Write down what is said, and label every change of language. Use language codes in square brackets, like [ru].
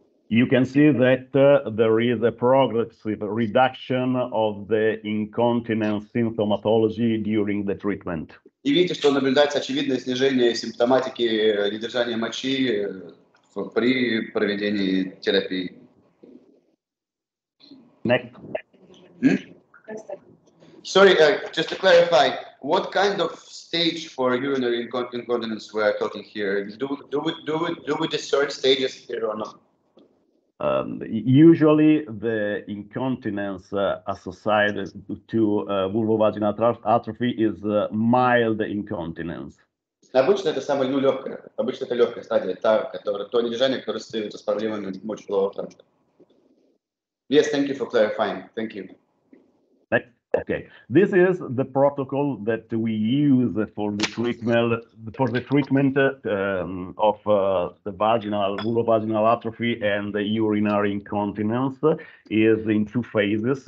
[en] You can see that there is a progressive reduction of the incontinence symptomatology during the treatment. [ru] И видите, что наблюдается очевидное снижение симптоматики недержания мочи при проведении терапии. [en] Next. Sorry, just to clarify, what kind of stage for urinary incontinence we are talking here? Do we discern stages here or not? Usually, the incontinence associated to vulvovaginal atrophy is mild incontinence. [ru] Обычно это самая нелегкая. Обычно это легкая стадия, то недержание, которое связано с проблемами мочеполового тракта. [en] Yes, thank you for clarifying. Thank you. Okay, this is the protocol that we use for the treatment of the vulvovaginal atrophy and the urinary incontinence is in two phases.